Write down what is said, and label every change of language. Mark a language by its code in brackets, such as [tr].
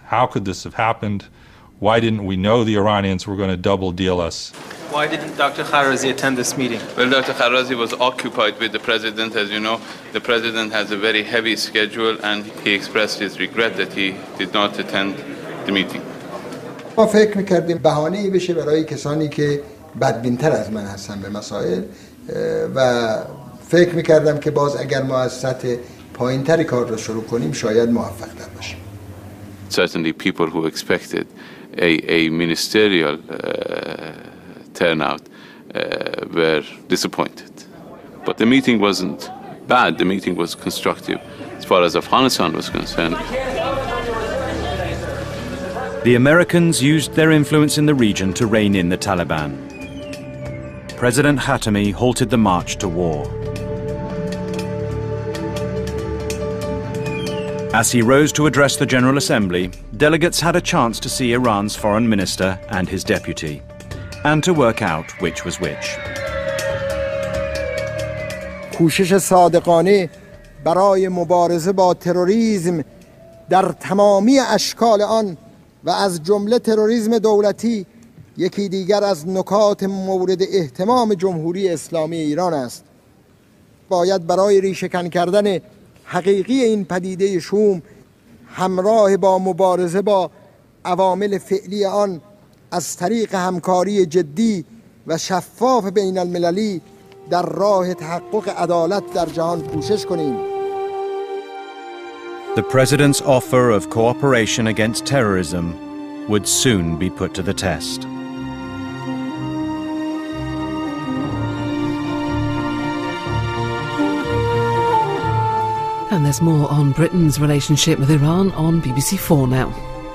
[en] How could this have happened? Why didn't we know the Iranians were going to double deal us? Why didn't Dr. Kharazi attend this meeting? Well, Dr. Kharazi was occupied with the president, as you know. The president has a very heavy schedule and he expressed his regret that he did not attend the meeting. [fa] ما فکر می‌کردیم بهانه‌ای بشه برای کسانی که بدبین‌تر از من هستن به مسائل و فکر می‌کردم که باز اگر ما از سطح پایین‌تر کار را شروع کنیم شاید موفق‌تر باشیم. [en] Certainly people who expected a ministerial turnout were disappointed. But the meeting wasn't bad, the meeting was constructive as far as Afghanistan was concerned. The Americans used their influence in the region to rein in the Taliban. President Khatami halted the march to war. As he rose to address the General Assembly, delegates had a chance to see Iran's foreign minister and his deputy, and to work out which was which. [fa] کوشش صادقانه برای مبارزه با تروریسم در تمامی اشکال آن و از جمله تروریسم دولتی یکی دیگر از نکات مورد اهتمام جمهوری اسلامی ایران است. باید برای ریشه‌کن کردن حقیقی این پدیده شوم همراه با مبارزه با عوامل فعلی آن از طریق همکاری جدی و شفاف بین المللی در راه تحقق عدالت در جهان کوشش کنیم. [en] The president's offer of cooperation against terrorism would soon be put to the test. And there's more on Britain's relationship with Iran on BBC4 now.